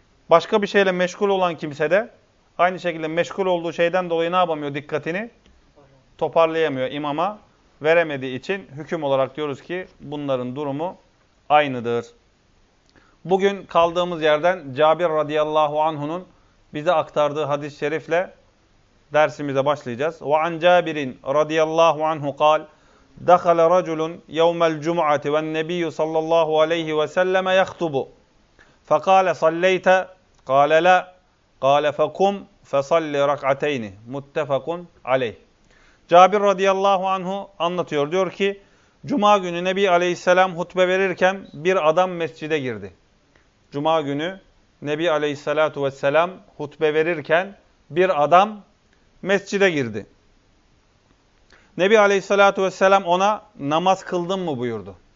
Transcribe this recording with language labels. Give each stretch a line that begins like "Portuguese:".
Turkish: Başka bir şeyle meşgul olan kimse de aynı şekilde meşgul olduğu şeyden dolayı ne yapamıyor dikkatini? Toparlayamıyor imama. Veremediği için hüküm olarak diyoruz ki bunların durumu aynıdır. Bugün kaldığımız yerden Cabir radıyallahu anhu'nun bize aktardığı hadis-i şerifle dersimize başlayacağız.
Arabic: وَعَنْ جَابِرٍ رَضِيَ اللّٰهُ عَنْهُ قَالْ دَخَلَ رَجُلٌ يَوْمَ الْجُمْعَةِ وَالنَّبِيُّ صَلَّى اللّٰهُ عَلَيْهِ وَسَلَّمَ يَخْطُبُ فَقَالَ صَلَّيْتَ قَالَ لَا قَالَ فَكُمْ فَصَلِّ رَكْعَتَيْنِ مُتَّفَقٌ عَلَيْهِ
Turkish: Cabir radıyallahu anhu anlatıyor. Diyor ki, Cuma günü Nebi aleyhisselam hutbe verirken bir adam mescide girdi. Cuma günü Nebi aleyhissalatu vesselam hutbe verirken bir adam mescide girdi. Nebi aleyhissalatu vesselam ona namaz kıldın mı buyurdu.